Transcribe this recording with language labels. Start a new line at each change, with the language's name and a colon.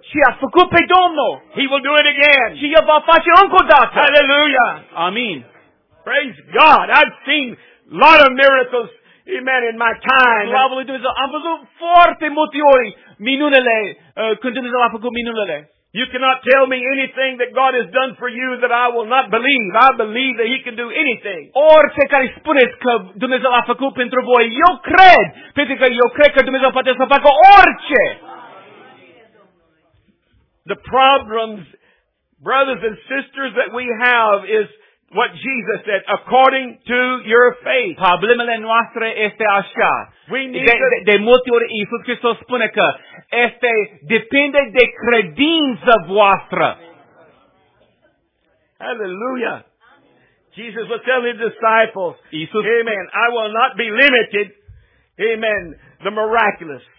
Romanian: Și a făcut pe Domnul.
English: He will do it again.
Romanian: Și el va face încă o dată.
English: Hallelujah.
Romanian: Amin.
English: Praise God. I've seen a lot of miracles. Amen. In my time,
Romanian: am văzut foarte multe ori minunele când Dumnezeu a făcut minunele.
English: You cannot tell me anything that God has done for you that I will not believe. I believe that He can do anything.
Romanian: Orice care spuneți că Dumnezeu a făcut pentru voi, eu cred, pentru că eu cred că Dumnezeu poate să facă orice.
English: The problems, brothers and sisters, that we have is what Jesus said, according to your faith.
Romanian: Problemele noastre este așa.
English: We need
Romanian: de multe ori Iisus Hristos spune că este depinde de credința voastră.
English: Hallelujah. Jesus was telling his disciples, amen, I will not be limited, amen, the miraculous.